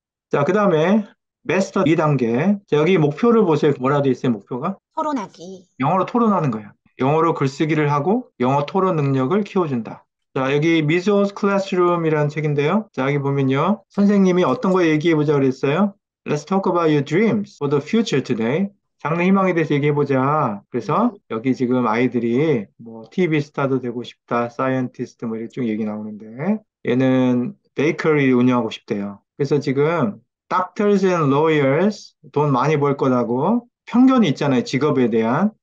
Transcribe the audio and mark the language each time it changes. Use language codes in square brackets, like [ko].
[ko] 자, 그 다음에 마스터 2단계. 자, 여기 목표를 보세요. 뭐라고 되어 있어요, 목표가? 토론하기. 영어로 토론하는 거예요. 영어로 글쓰기를 하고 영어 토론 능력을 키워준다. 자, 여기 미소스 클래스룸이라는 책인데요. 자, 여기 보면요. 선생님이 어떤 거 얘기해 보자 그랬어요. [en] Let's talk about your dreams for the future today. [ko] 장래 희망에 대해서 얘기해 보자. 그래서 여기 지금 아이들이 뭐 TV 스타도 되고 싶다, 사이언티스트 뭐 이렇게 쭉 얘기 나오는데 얘는 베이커리 운영하고 싶대요. 그래서 지금 [en] doctors and lawyers [ko] 돈 많이 벌 거라고 편견이 있잖아요, 직업에 대한.